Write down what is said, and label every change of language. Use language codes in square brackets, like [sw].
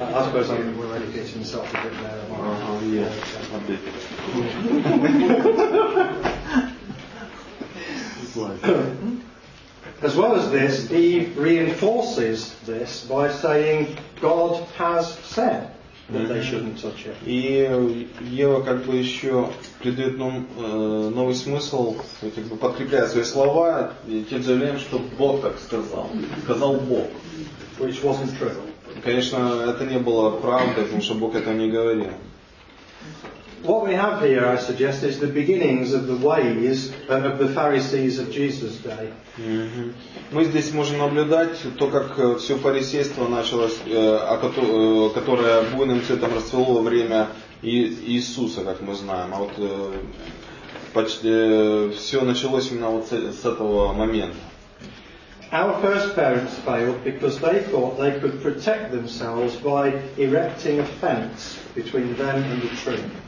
[en] I suppose I'm already getting myself a bit there. Yeah, a bit. As well as this, Eve reinforces this by saying, God has said. [ru] И Ева как бы еще придает нам новый смысл, как бы подкрепляя свои слова тем заявлением, что Бог так сказал. Сказал Бог. [en] Which wasn't true. [ru] Конечно, это не было правдой, потому что Бог это не говорил. [en] What we have here, I suggest, is the beginnings of the ways of the Pharisees of Jesus' day. [ru] Мы здесь можем наблюдать то, как все фарисейство началось, которое буйным цветом расцвело во время Иисуса, как мы знаем. А вот почти все началось именно вот с этого момента. [en] Our first parents failed because they thought they could protect themselves by erecting a fence between them and the tree.